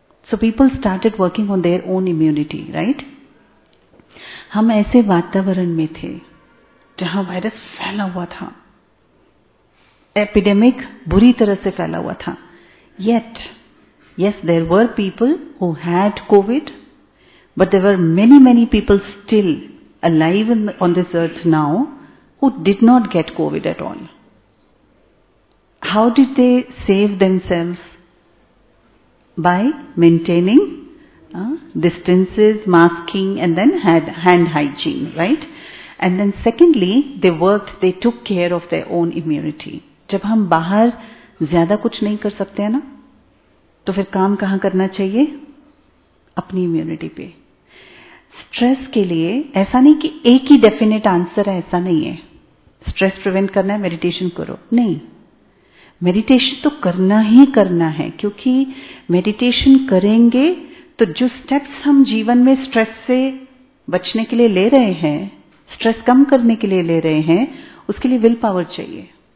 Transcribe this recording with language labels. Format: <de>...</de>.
<en>So people started working on their own immunity, right?</en> <hi>हम ऐसे वातावरण में थे जहां वायरस फैला हुआ था,</hi> <en>Epidemic बुरी तरह से फैला हुआ था, yet yes there were people who had covid, but there were many many people still alive on this earth now who did not get covid at all. How did they save themselves? By maintaining distances, masking and then hand hygiene, right? And then secondly, they worked, they took care of their own immunity.</en> <hi>जब हम बाहर ज्यादा कुछ नहीं कर सकते हैं ना, तो फिर काम कहाँ करना चाहिए? अपनी इम्यूनिटी पे. स्ट्रेस के लिए ऐसा नहीं कि एक ही डेफिनेट आंसर है, ऐसा नहीं है. स्ट्रेस प्रिवेंट करना है, मेडिटेशन करो. नहीं, मेडिटेशन तो करना ही करना है, क्योंकि मेडिटेशन करेंगे तो जो स्टेप्स हम जीवन में स्ट्रेस से बचने के लिए ले रहे हैं, स्ट्रेस कम करने के लिए ले रहे हैं, उसके लिए विल पावर चाहिए.</hi>